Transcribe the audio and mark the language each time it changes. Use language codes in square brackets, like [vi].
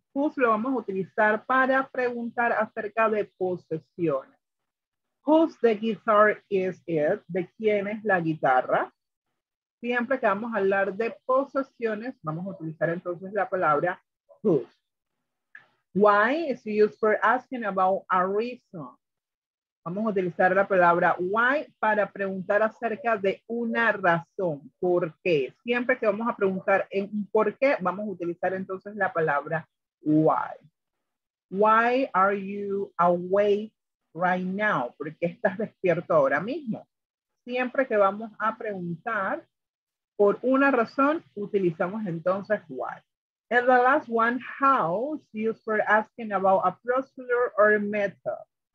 [es] Whose lo vamos a utilizar para preguntar acerca de posesión. [en] Whose the guitar is it? [es] ¿De quién es la guitarra? Siempre que vamos a hablar de posesiones, vamos a utilizar entonces la palabra whose. [en] Why is used for asking about a reason. [es] Vamos a utilizar la palabra why para preguntar acerca de una razón. ¿Por qué? Siempre que vamos a preguntar en un por qué, vamos a utilizar entonces la palabra why. [en] Why are you awake right now? [es] ¿Por qué estás despierto ahora mismo? Siempre que vamos a preguntar por una razón, utilizamos entonces why. [en] And the last one, how, is used for asking about a procedure or a method.